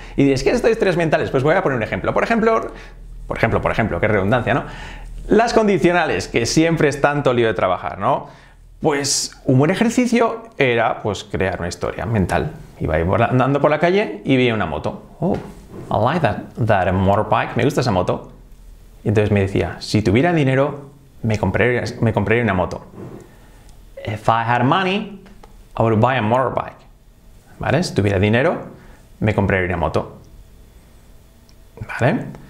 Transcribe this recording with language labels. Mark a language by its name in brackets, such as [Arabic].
[Spanish] Y dices, ¿qué es esto de historias mentales? Pues voy a poner un ejemplo. Por ejemplo, qué redundancia, ¿no? Las condicionales, que siempre es tanto lío de trabajar, ¿no? Pues un buen ejercicio era pues crear una historia mental. Iba andando por la calle y vi una moto. [English] Oh, I like that motorbike. [Spanish] Me gusta esa moto. Y entonces me decía, si tuviera dinero, me compraría una moto. [English] If I had money, I would buy a motorbike. [Spanish] ¿Vale? Si tuviera dinero, me compraría una moto. ¿Vale?